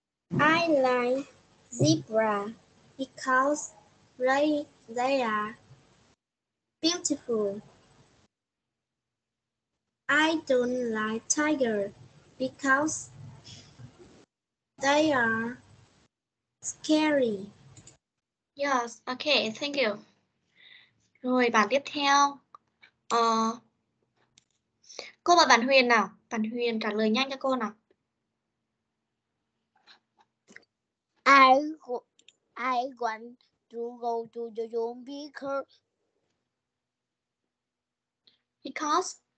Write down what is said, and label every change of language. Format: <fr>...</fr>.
<en>I like zebra because they are beautiful. I don't like tiger because they are scary. Yes, okay, thank you.</en> <vi>Rồi bạn tiếp theo, cô và bạn Huyền nào, bạn Huyền trả lời nhanh cho cô nào.</vi> <en>I want to go to the zoo because</en>